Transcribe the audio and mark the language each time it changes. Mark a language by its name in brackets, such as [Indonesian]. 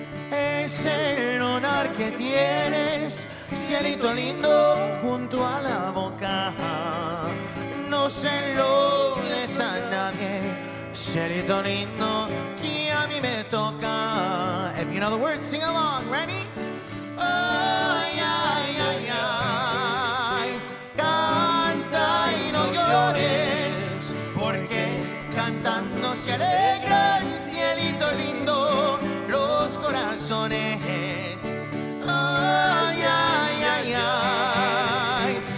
[Spanish] Es el honor que tienes, cielito lindo junto a la boca. No se lo des a nadie, cielito lindo que a mí me toca. [English] If you know the words, sing along, ready? [Spanish] Ay, ay, ay, ay. Canta y no llores, porque cantando se alegra el cielito lindo los corazones. Ay, ay, ay, ay.